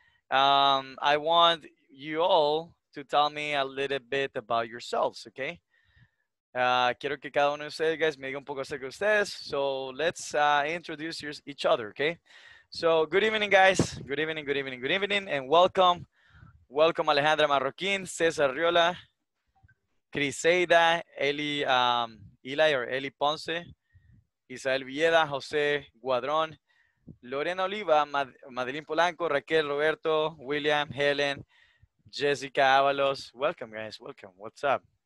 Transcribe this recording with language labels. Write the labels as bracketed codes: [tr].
[en] I want you all to tell me a little bit about yourselves, okay? [es] Quiero que cada uno de ustedes, guys, me diga un poco acerca de ustedes. [en] So let's introduce each other, okay? So good evening, guys. Good evening, good evening, good evening, and welcome. Welcome, Alejandra Marroquín, Cesar Riola, Criseida, Eli, Eli or Eli Ponce, Isabel Villeda, Jose Guadron, Lorena Oliva, Madeline Polanco, Raquel Roberto, William, Helen, Jessica Avalos. Welcome, guys. Welcome. What's up?